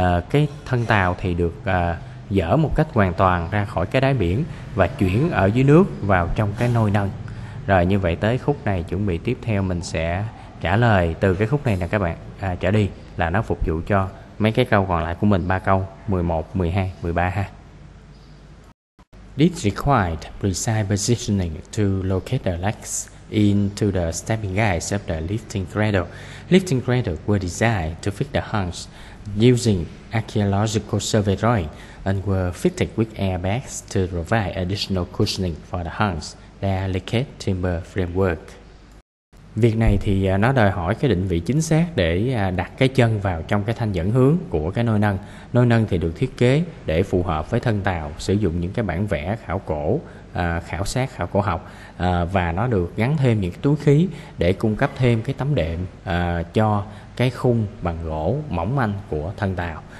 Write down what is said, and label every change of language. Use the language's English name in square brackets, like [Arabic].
[Vietnamese] Cái thân tàu thì được dỡ một cách hoàn toàn ra khỏi cái đáy biển và chuyển ở dưới nước vào trong cái nôi nâng. Rồi như vậy tới khúc này chuẩn bị tiếp theo mình sẽ trả lời từ cái khúc này nè các bạn, trở đi là nó phục vụ cho mấy cái câu còn lại của mình, ba câu 11, 12, 13 ha. [English] This required precise positioning to locate the legs into the stepping guides of the lifting cradle. Lifting cradle were designed to fit the hulls using archaeological survey drawing and were fitted with airbags to provide additional cushioning for the hulls. Delicate timber framework. [Vietnamese] Việc này thì nó đòi hỏi cái định vị chính xác để đặt cái chân vào trong cái thanh dẫn hướng của cái nôi nâng. Nôi nâng thì được thiết kế để phù hợp với thân tàu, sử dụng những cái bản vẽ khảo cổ, khảo sát khảo cổ học, và nó được gắn thêm những túi khí để cung cấp thêm cái tấm đệm cho cái khung bằng gỗ mỏng manh của thân tàu.